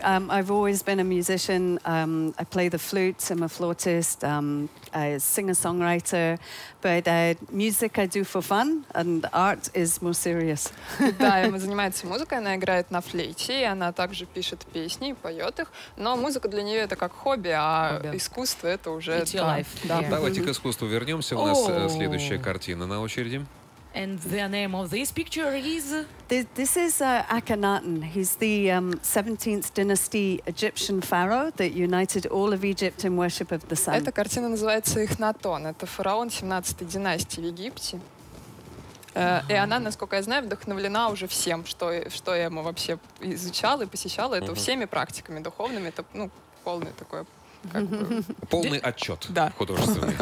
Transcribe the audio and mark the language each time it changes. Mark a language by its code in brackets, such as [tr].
[en] I've always been a musician. I play the flute, I'm a flautist, a singer-songwriter. But music I do for fun, and art is more serious. [ru] Да, Эмма занимается музыкой, она играет на флейте, и она также пишет песни и поет их. Но музыка для нее это как хобби, а искусство это уже... [en] It's your life. [ru] Да. [en] Yeah. [ru] Давайте к искусству вернемся. У нас следующая картина на очереди. [en] And the name of this picture is... This is Akhenaten. He's the 17th dynasty Egyptian pharaoh that united all of Egypt in worship of the sun. [ru] Эта картина называется Эхнатон. Это фараон 17-й династии в Египте. И она, насколько я знаю, вдохновлена уже всем, что я ему вообще изучала и посещала. Это всеми практиками духовными. Это полное такое... Полный отчет художественный.